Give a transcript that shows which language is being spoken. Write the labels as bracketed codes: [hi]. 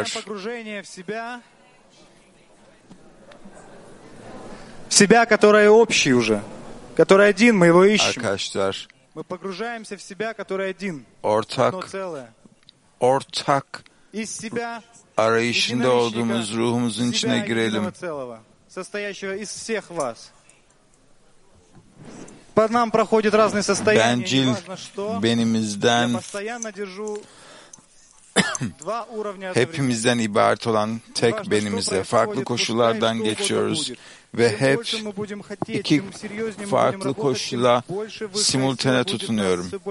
[ru] мы продолжаем погружение в себя. В себя, которое общий уже. Который один, мы его ищем. [tr] Arkadaşlar, [ru] мы погружаемся в себя, который один. [tr] Ortak, [ru] одно целое. [tr] Ortak, [ru] из себя, [tr] arayışında olduğumuz ruhumuzun içine girelim. [ru] Целого, состоящего из всех вас. По нам проходят разные состояния. [tr] Бенджил, benimizden, [ru] я постоянно держу два уровня. [tr] Hepimizden ibaret olan tek benimizde. Farklı koşullardan geçiyoruz. Ve hep iki farklı koşula simultane tutunuyorum.